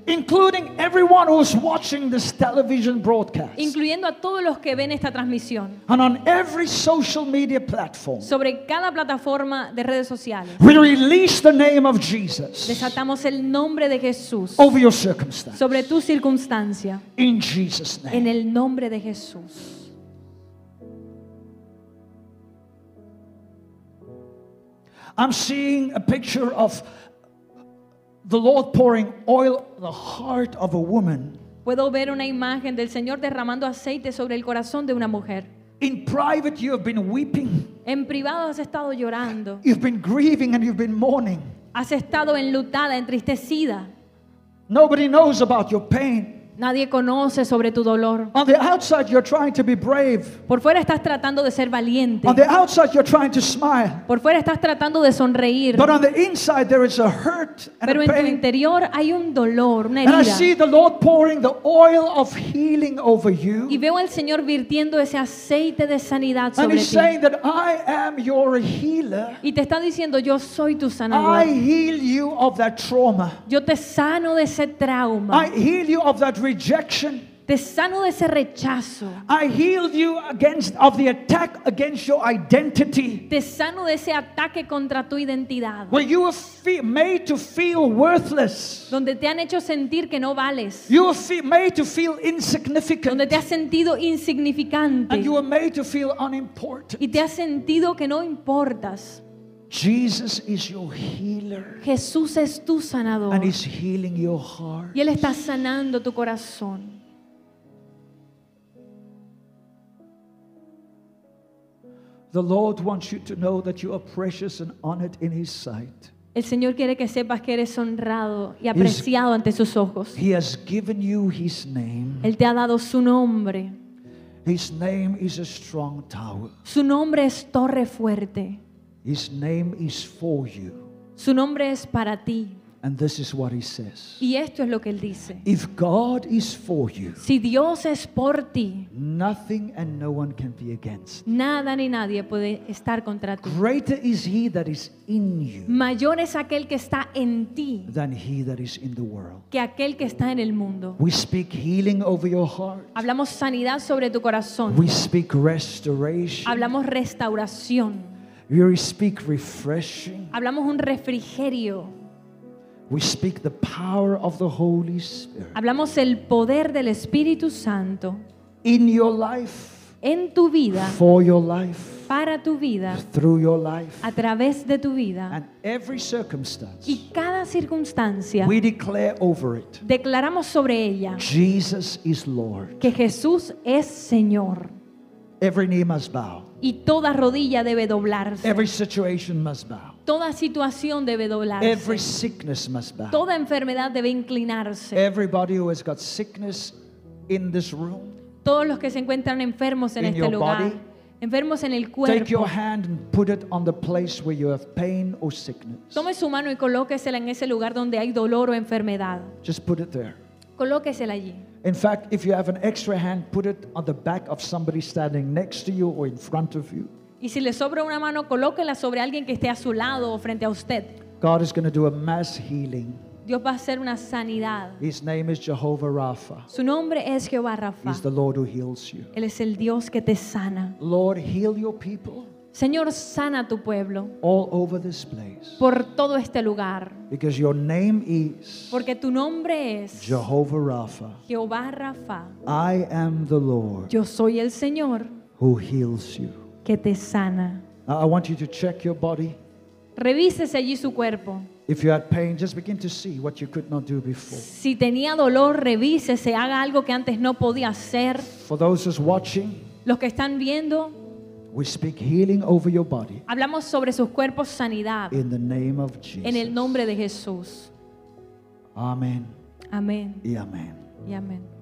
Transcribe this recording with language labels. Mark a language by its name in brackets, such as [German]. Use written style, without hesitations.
[English] Including everyone who's watching this television broadcast. [Spanish] Incluyendo a todos los que ven esta transmisión. [English] And on every social media platform. [Spanish] Sobre cada plataforma de redes sociales. [English] We release the name of Jesus. [Spanish] Desatamos el nombre de Jesús. [English] Over your circumstances. [Spanish] Sobre tu circunstancia. [English] In Jesus' name. [Spanish] En el nombre de Jesús. [English] I'm seeing a picture of the Lord pouring oil on the heart of a woman. [Spanish] Puedo ver una imagen del Señor derramando aceite sobre el corazón de una mujer. [English] In private, you have been weeping. [Spanish] En privado has estado llorando. [English] You've been grieving and you've been mourning. [Spanish] Has estado enlutada, entristecida. [English] Nobody knows about your pain. [Spanish] Nadie conoce sobre tu dolor. [English] On the outside, you're trying to be brave. [Spanish] Por fuera estás tratando de ser valiente. [English] On the outside, you're trying to smile. [Spanish] Por fuera estás tratando de sonreír. [English] But on the inside, there is a hurt and [Spanish] pero [English] a pain. [Spanish] En tu interior hay un dolor, una herida. [English] And I see the Lord pouring the oil of healing over you. [Spanish] Y veo al Señor virtiendo ese aceite de sanidad sobre [English] and he's [Spanish] ti. [English] Saying that I am your healer. [Spanish] Y te está diciendo, yo soy tu sanador. [English] I heal you of that trauma. [Spanish] Yo te sano de ese trauma. [English] I heal you of that rejection. [Spanish] Te sano de ese rechazo. [English] I heal you against of the attack against your identity. [Spanish] Te sano de ese ataque contra tu identidad. [English] Where you were made to feel worthless. [Spanish] Donde te han hecho sentir que no vales. [English] You were made to feel insignificant. [Spanish] Donde te has sentido insignificante. [English] And you were made to feel unimportant. [Spanish] Y te has sentido que no importas. [English] Jesus is your healer. [Spanish] Jesús es tu sanador. [English] And he's healing your heart. [Spanish] Y él está sanando tu corazón. [English] The Lord wants you to know that you are precious and honored in his sight. [Spanish] El Señor quiere que sepas que eres honrado y apreciado ante sus ojos. [English] He has given you his name. [Spanish] Él te ha dado su nombre. [English] His name is a strong tower. [Spanish] Su nombre es torre fuerte. [English] His name is for you. [Spanish] Su nombre es para ti. [English] And this is what he says. [Spanish] Y esto es lo que él dice. [English] If God is for you. [Spanish] Si Dios es por ti. [English] Nothing and no one can be against. [Spanish] Nada ni nadie puede estar contra ti. [English] Greater is he that is in you. [Spanish] Mayor es aquel que está en ti. [English] Than he that is in the world. [Spanish] Que aquel que está en el mundo. [English] We speak healing over your heart. [Spanish] Hablamos sanidad sobre tu corazón. [English] We speak restoration. [Spanish] Hablamos restauración. [English] We speak refreshing. [Spanish] Hablamos un refrigerio. [English] We speak the power of the Holy Spirit. [Spanish] Hablamos el poder del Espíritu Santo. [English] In your life. [Spanish] En tu vida. [English] For your life. [Spanish] Para tu vida. [English] Through your life. [Spanish] A través de tu vida. [English] And every circumstance. [Spanish] Y cada circunstancia. [English] We declare over it. [Spanish] Declaramos sobre ella. [English] Jesus is Lord. [Spanish] Que Jesús es Señor. [English] Every knee must bow. [Spanish] Y toda rodilla debe doblarse. [English] Every situation must bow. [Spanish] Toda situación debe doblarse. [English] Every sickness must bow. [Spanish] Toda enfermedad debe inclinarse. [English] Everybody who has got sickness in this room. [Spanish] Todos los que se encuentran enfermos en [English] in [Spanish] este [English] your [Spanish] lugar. [English] Body, [Spanish] enfermos en el cuerpo. [English] Take your hand and put it on the place where you have pain or sickness. [Spanish] Tome su mano y colóquesela en ese lugar donde hay dolor o enfermedad. [English] Just put it there. [Spanish] Colóquesela allí. [English] In fact, if you have an extra hand, put it on the back of somebody standing next to you or in front of you. [Spanish] Y si le sobra una mano, colóquela sobre alguien que esté a su lado o frente a usted. [English] God is going to do a mass healing. [Spanish] Dios va a hacer una sanidad. [English] His name is Jehovah Rapha. [Spanish] Su nombre es Jehová Rapha. [English] He's the Lord who heals you. [Spanish] Él es el Dios que te sana. [English] Lord, heal your people. [Spanish] Señor, sana tu pueblo. [English] All over this place. [Spanish] Por todo este lugar. [English] Because your name is. [Spanish] Porque tu nombre es. [English] Jehovah Rapha. [Spanish] Jehová Rapha. [English] I am the Lord. [Spanish] Yo soy el Señor. [English] Who heals you. [Spanish] Que te sana. [English] Now, I want you to check your body. [Spanish] Revísese allí su cuerpo. [English] If you had pain, just begin to see what you could not do before. [Spanish] Si tenía dolor, revísese, haga algo que antes no podía hacer. [English] For those who's watching. [Spanish] Los que están viendo. [English] We speak healing over your body. [Spanish] Hablamos sobre sus cuerpos sanidad. [English] In the name of Jesus. [Spanish] En el nombre de Jesús. [English] Amen. [Spanish] Amen. Y amen. Y amen.